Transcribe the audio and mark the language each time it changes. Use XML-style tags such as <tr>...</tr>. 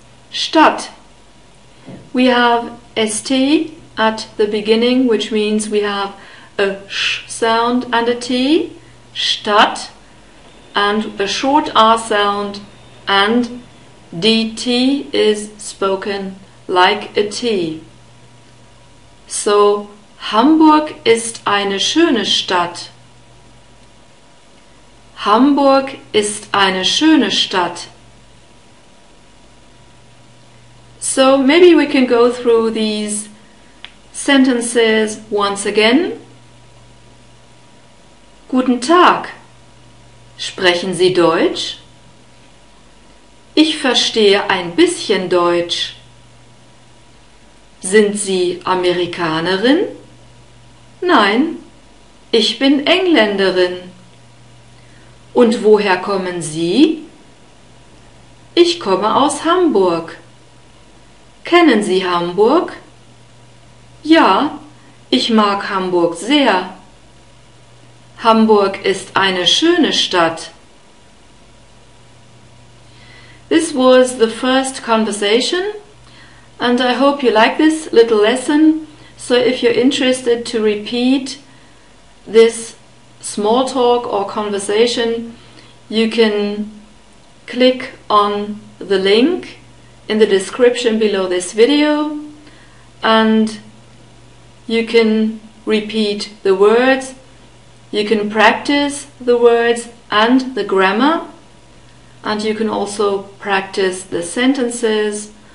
<en>Stadt. We have ST at the beginning, which means we have a sh sound and a T, Stadt, and a short R sound, and DT is spoken like a T.</en> <de>So, Hamburg ist eine schöne Stadt. Hamburg ist eine schöne Stadt.</de> <en>So maybe we can go through these sentences once again.</en> <de>Guten Tag. Sprechen Sie Deutsch? Ich verstehe ein bisschen Deutsch. Sind Sie Amerikanerin? Nein, ich bin Engländerin. Und woher kommen Sie? Ich komme aus Hamburg. Kennen Sie Hamburg? Ja, ich mag Hamburg sehr. Hamburg ist eine schöne Stadt.</de> <en>This was the first conversation, and I hope you like this little lesson. So if you're interested to repeat this small talk or conversation, you can click on the link in the description below this video, and you can repeat the words, you can practice the words and the grammar, and you can also practice the sentences.</en>